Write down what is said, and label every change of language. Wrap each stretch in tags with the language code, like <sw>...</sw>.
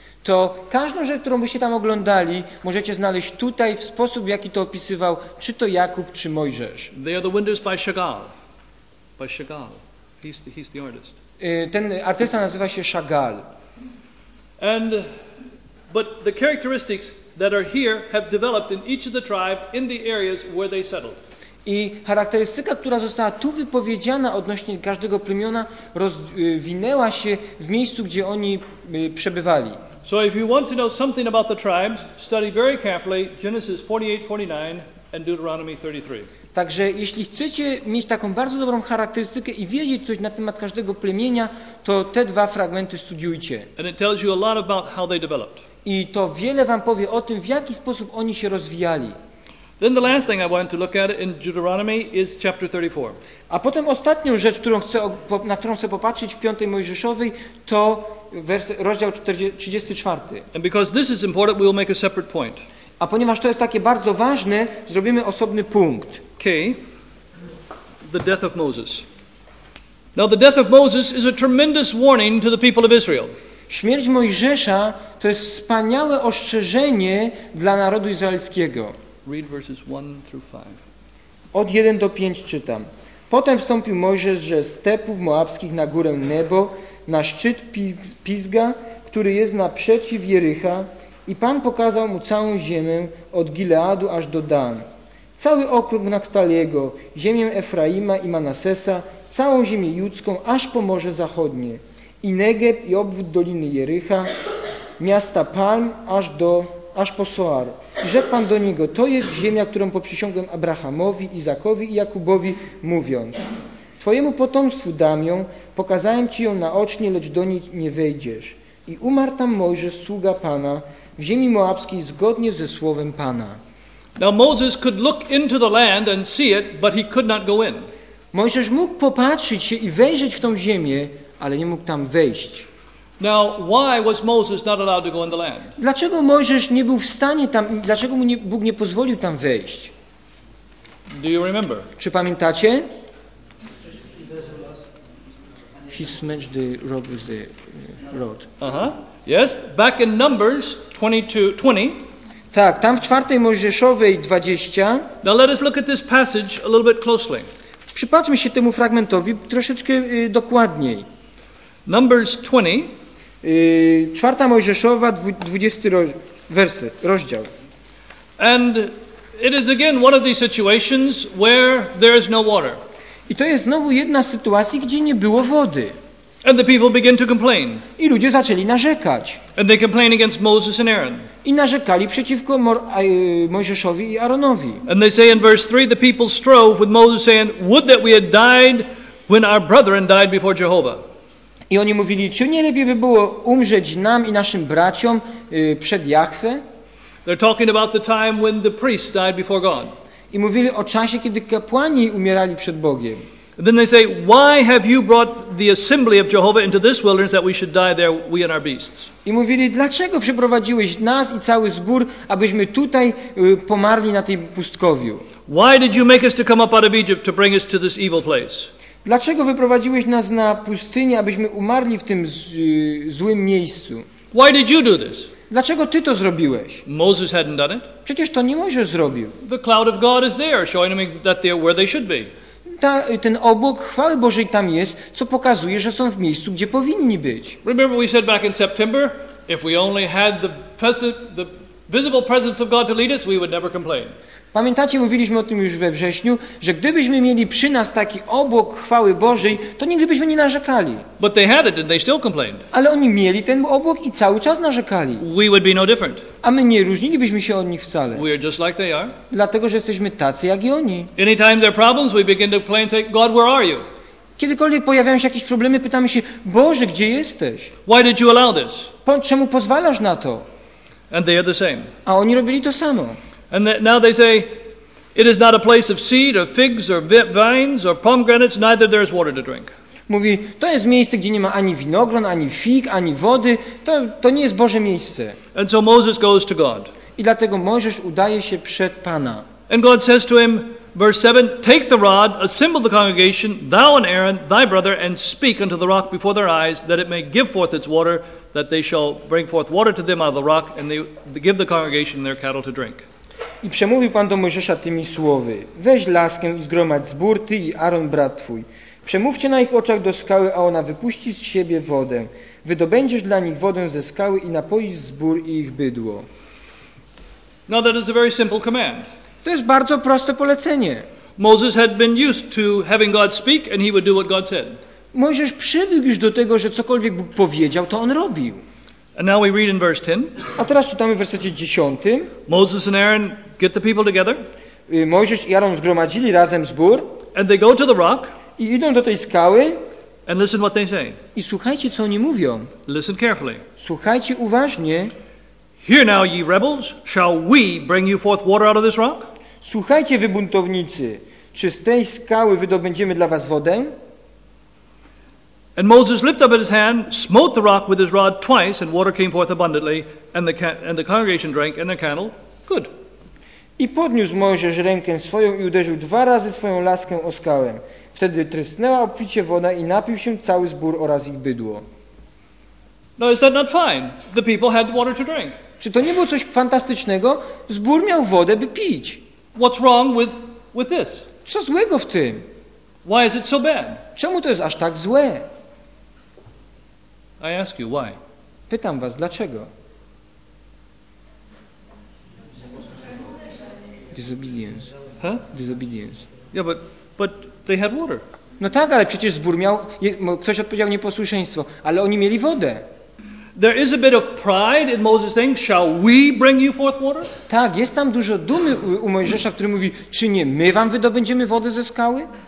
<pl>To każdą rzecz, którą byście tam oglądali, możecie znaleźć tutaj w sposób, jaki to opisywał, czy to Jakub, czy Mojżesz.</pl> <en>They are the windows by Chagall. By Chagall. He's the artist.</en> <pl>Ten artysta nazywa się Chagall.</pl> <en>And but the characteristics that are here have developed in each of the tribe in the areas where they settled.</en> <pl>I charakterystyka, która została tu wypowiedziana odnośnie każdego plemiona, rozwinęła się w miejscu, gdzie oni przebywali.</pl> <en>So if you want to know something about the tribes, study very carefully Genesis 48-49 and Deuteronomy 33.</en> <pl>Także jeśli chcecie mieć taką bardzo dobrą charakterystykę i wiedzieć coś na temat każdego plemienia, to te dwa fragmenty studiujcie.</pl> <en>And it tells you a lot about how they developed.</en> <pl>I to wiele wam powie o tym, w jaki sposób oni się rozwijali.</pl> <en>Then the last thing I want to look at in Deuteronomy is chapter 34.</en> <pl>A potem ostatnią rzecz, na którą chcę popatrzeć w 5 Mojżeszowej, to rozdział 34.</pl> <en>And because this is important, we'll make a separate point. A ponieważ to jest takie bardzo ważne, zrobimy osobny punkt. Okay. The death of Moses. Now the death of Moses is a tremendous warning to the people of Israel.</en> <pl>Śmierć Mojżesza to jest wspaniałe ostrzeżenie dla narodu izraelskiego.</pl> <en>Read verses 1 through 5.</en> <pl>Od 1 do 5 czytam. Potem wstąpił Mojżesz ze stepów moabskich na górę Nebo, na szczyt Pisga, który jest naprzeciw Jerycha, i Pan pokazał mu całą ziemię od Gileadu aż do Dan. Cały okrąg Naftaliego, ziemię Efraima i Manasesa, całą ziemię judzką aż po Morze Zachodnie, i Negeb i obwód Doliny Jerycha, miasta Palm aż po Soar. I rzekł Pan do niego, to jest ziemia, którą poprzysiągłem Abrahamowi, Izakowi i Jakubowi, mówiąc, Twojemu potomstwu dam ją, pokazałem Ci ją naocznie, lecz do niej nie wejdziesz. I umarł tam Mojżesz, sługa Pana, w ziemi moabskiej zgodnie ze słowem Pana.</pl> <en>Now Moses could look into the land and see it, but he could not go in.</en> <pl>Mojżesz mógł popatrzeć się i wejrzeć w tą ziemię, ale nie mógł tam wejść.</pl> <en>Now why was Moses not allowed to go in the land?</en> <pl>Dlaczego Mojżesz nie był w stanie tam, dlaczego mu Bóg nie pozwolił tam wejść?</pl> <en>Do you remember?</en> <pl>Czy pamiętacie?</pl> <en>He smashed the rod with the rod. Uh-huh. Yes, back in Numbers 22:20.</en> <pl>Tak, tam w 4 Mojżeszowej 20.</pl> <en>Now let us look at this passage a little bit closely.</en> <pl>Przypatrzmy się temu fragmentowi troszeczkę dokładniej.</pl> <en>Numbers 20.</en> <pl>4 Mojżeszowa, 20 rozdział.</pl> <en>And It is again one of these situations where there is no water.</en> <pl>I to jest znowu jedna z sytuacji, gdzie nie było wody.</pl> <en>And the people begin to complain.</en> <pl>I ludzie zaczęli narzekać.</pl> <en>And they complain against Moses and Aaron.</en> <pl>I narzekali przeciwko Mojżeszowi i Aaronowi.</pl> <en>And they say in verse 3, the people strove with Moses saying, would that we had died when our brethren died before Jehovah.</en> <pl>I oni mówili, czy nie lepiej by było umrzeć nam i naszym braciom przed Jahwe?</pl> <en>They're talking about the time when the priests died before God.</en> <pl>I mówili o czasie, kiedy kapłani umierali przed Bogiem.</pl> <en>And then they say, why have you brought the assembly of Jehovah into this wilderness that we should die there, we and our beasts?</en> <pl>I mówili, dlaczego przyprowadziłeś nas i cały zbór, abyśmy tutaj pomarli na tej pustkowiu?</pl> <en>Why did you make us to come up out of Egypt to bring us to this evil place?</en> <pl>Dlaczego wyprowadziłeś nas na pustynię, abyśmy umarli w tym złym miejscu?</pl> <en>Why did you do this?</en> <pl>Dlaczego ty to zrobiłeś?</pl> <en>Moses hadn't done it.</en> <pl>Przecież to nie Mojżesz zrobił.</pl> <en>The cloud of God is there, showing them that they're where they should be.</en> <pl>Ten obłok chwały Bożej tam jest, co pokazuje, że są w miejscu, gdzie powinni być.</pl> <en>Remember we said back in September, if we only had the visible presence of God to lead us, we would never complain.</en> <pl>Pamiętacie, mówiliśmy o tym już we wrześniu, że gdybyśmy mieli przy nas taki obłok chwały Bożej, to nigdy byśmy nie narzekali.</pl> <en>But they had it and they still complained.</en> <pl>Ale oni mieli ten obłok i cały czas narzekali.</pl> <en>We would be no different.</en> <pl>A my nie różnilibyśmy się od nich wcale.</pl> <en>We are just like they are.</en> <pl>Dlatego, że jesteśmy tacy jak i oni.</pl> <en>Anytime there are problems, we begin to complain and say, God, where are you?</en> <pl>Kiedykolwiek pojawiają się jakieś problemy, pytamy się, Boże, gdzie jesteś?</pl> <en>Why did you allow this?</en> <pl>Czemu pozwalasz na to?</pl> <en>And they are the same.</en> <pl>A oni robili to samo.</pl> <en>And that now they say, it is not a place of seed or figs or vines or pomegranates, neither there is water to drink.</en> <pl>Mówi, to jest miejsce, gdzie nie ma ani winogron, ani fig, ani wody. To nie jest Boże miejsce.</pl> <en>And so Moses goes to God.</en> <pl>I dlatego Mojżesz udaje się przed Pana.</pl> <en>And God says to him, verse 7, take the rod, assemble the congregation, thou and Aaron, thy brother, and speak unto the rock before their eyes, that it may give forth its water, that they shall bring forth water to them out of the rock, and they give the congregation their cattle to drink.</en> <pl>I przemówił Pan do Mojżesza tymi słowy. Weź laskę i zgromadź zbór, ty i Aaron, brat twój. Przemówcie na ich oczach do skały, a ona wypuści z siebie wodę. Wydobędziesz dla nich wodę ze skały i napoisz zbór i ich bydło.</pl> <en>Now that is a very simple command.</en> <pl>To jest bardzo proste polecenie.</pl> <en>Moses had been used to having God speak and he would do what God said.</en> <pl>Mojżesz przywykł już do tego, że cokolwiek Bóg powiedział, to on robił.</pl> <en>And now we read in verse 10.</en> <pl>A teraz czytamy w wersecie 10.</pl> <en>Moses and Aaron get the people together.</en> <pl>Mojżesz i Aaron zgromadzili razem zbór.</pl> <en>And they go to the rock.</en> <pl>I idą do tej skały.</pl> <en>And listen what they say.</en> <pl>I słuchajcie, co oni mówią.</pl> <en>Listen carefully.</en> <pl>Słuchajcie uważnie.</pl> <en>Hear now, ye rebels, shall we bring you forth water out of this rock?</en> <pl>Słuchajcie, wy buntownicy, czy z tej skały wydobędziemy dla was wodę?</pl> <en>And Moses lifted up his hand, smote the rock with his rod twice, and water came forth abundantly, and the congregation drank, and their cattle, good.</en> <pl>I podniósł Mojżesz rękę swoją i uderzył dwa razy swoją laskę o skałę. Wtedy trysnęła obficie woda i napił się cały zbór oraz ich bydło.</pl> <en>No, is that not fine? The people had water to drink.</en> <pl>Czy to nie było coś fantastycznego? Zbór miał wodę, by pić.</pl> <en>What's wrong with this?</en> <pl>Co złego w tym?</pl> <en>Why is it so bad?</en> <pl>Czemu to jest aż tak złe?</pl> <en>I ask you why.</en> <pl>Pytam was dlaczego.</pl> <en>Disobedience. Huh? Disobedience. Yeah, but they had water.</en> <pl>No tak, ale przecież zbór miał. Ktoś odpowiedział nieposłuszeństwo, ale oni mieli wodę.</pl> <en>There is a bit of pride in Moses saying, "Shall we bring you forth water?"</en> <pl>Tak, jest tam dużo dumy u Mojżesza, który mówi, czy nie my wam wydobędziemy wodę ze skały?</pl>